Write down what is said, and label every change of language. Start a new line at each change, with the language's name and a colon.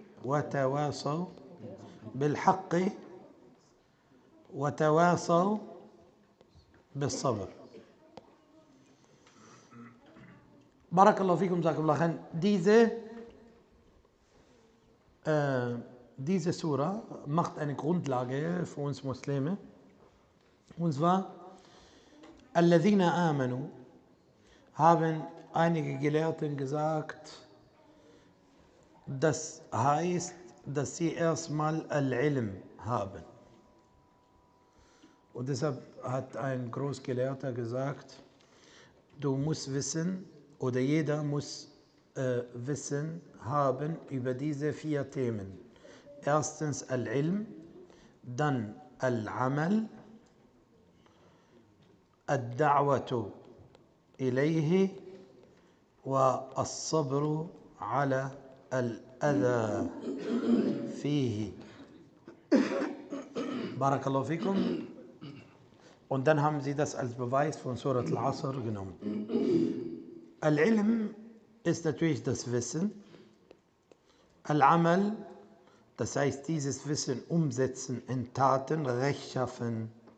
Arabic: Wa tawasau بالحق وتواصل بالصبر. بارك الله فيكم جزاكم الله خير.
German: Diese Sura macht eine Grundlage für uns Muslime. Und zwar,
Arabic: الذين آمنوا,
German: haben einige Gelehrten gesagt, das heißt, dass sie erstmal Al-Ilm haben. Und deshalb hat ein Großgelehrter gesagt, du musst wissen, oder jeder muss Wissen haben über diese vier Themen. Erstens Al-Ilm, dann Al-Amal,
Arabic: الدعوة إليه والصبر على الأذى فيه. بارك الله فيكم.
German: Und dann haben sie das als Beweis von Surat al-Asr genommen. Al-Ilm ist natürlich das Wissen. Al-Amal, das heißt dieses Wissen umsetzen in Taten, rechtschaffen.